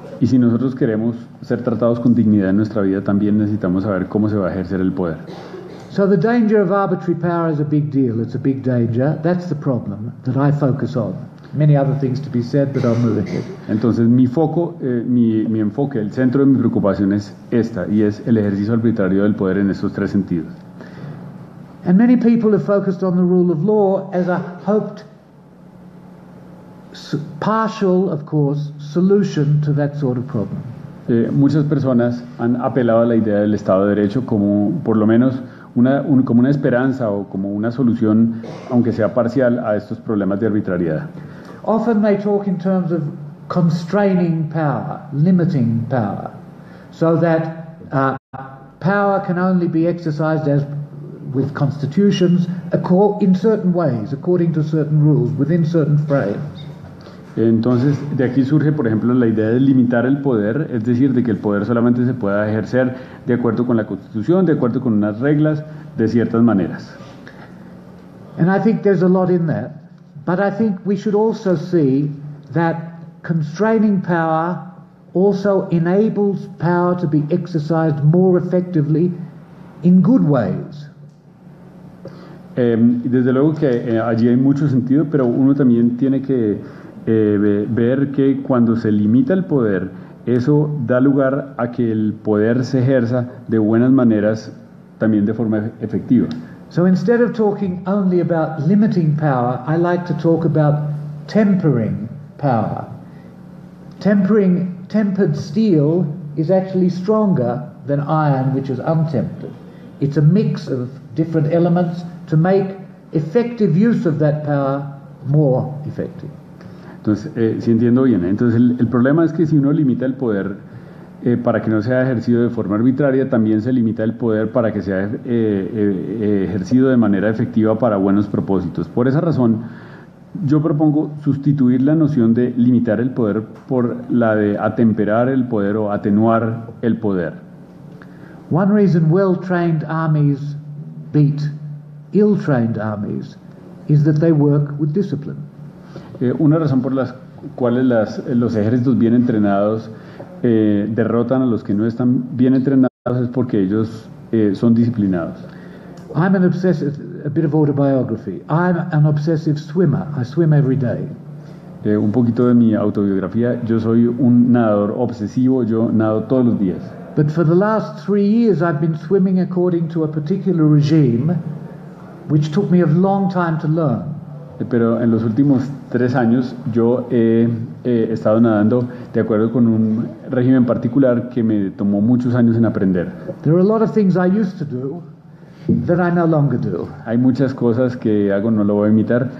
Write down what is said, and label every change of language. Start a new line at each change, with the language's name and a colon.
Spanish: Y si nosotros queremos ser tratados con dignidad en nuestra vida, también necesitamos saber cómo se va a ejercer el poder.
English: So the danger of arbitrary power is a big deal. It's a big danger. That's the problem that I focus on. Many other things to be said, but I'll move ahead.
Spanish: Entonces, mi foco, mi enfoque, el centro de mi preocupación es esta, y es el ejercicio arbitrario del poder en estos tres sentidos.
English: And many people have focused on the rule of law as a hoped partial, of course, solution to that sort of problem.
Spanish: Muchas personas han apelado a la idea del Estado de Derecho como, por lo menos, como una esperanza o como una solución, aunque sea parcial, a estos problemas de arbitrariedad.
English: Often they talk in terms of constraining power, limiting power, so that power can only be exercised as with constitutions in certain ways, according to certain rules, within certain frames.
Spanish: Entonces, de aquí surge, por ejemplo, la idea de limitar el poder, es decir, de que el poder solamente se pueda ejercer de acuerdo con la Constitución, de acuerdo con unas reglas, de ciertas maneras.
English: And I think there's a lot in that, but I think we should also see that constraining power also enables power to be exercised more effectively in good ways.
Spanish: Desde luego que allí hay mucho sentido, pero uno también tiene que ver que cuando se limita el poder, eso da lugar a que el poder se ejerza de buenas maneras, también de forma efectiva.
English: So instead of talking only about limiting power, I like to talk about tempering power. Tempered steel is actually stronger than iron, which is untempered. It's a mix of different elements to make effective use of that power more effective.
Spanish: Entonces, si entiendo bien, entonces el problema es que si uno limita el poder para que no sea ejercido de forma arbitraria, también se limita el poder para que sea ejercido de manera efectiva para buenos propósitos. Por esa razón, yo propongo sustituir la noción de limitar el poder por la de atemperar el poder o atenuar el poder.
English: One reason well-trained armies beat ill-trained armies is that they work with discipline.
Spanish: Una razón por la cual los ejércitos bien entrenados derrotan a los que no están bien entrenados es porque ellos son disciplinados.
English: I'm an obsessive, a bit of autobiography. I'm an obsessive swimmer. I swim every day.
Spanish: Un poquito de mi autobiografía. Yo soy un nadador obsesivo. Yo nado todos los días.
English: But for the last 3 years, I've been swimming according to a particular regime, which took me a long time to learn.
Spanish: Pero en los últimos 3 años yo he estado nadando de acuerdo con un régimen particular que me tomó muchos años en aprender.
English: There are a lot of things I used to do that I no longer do.
Spanish: Hay muchas cosas que hago, no lo voy a imitar.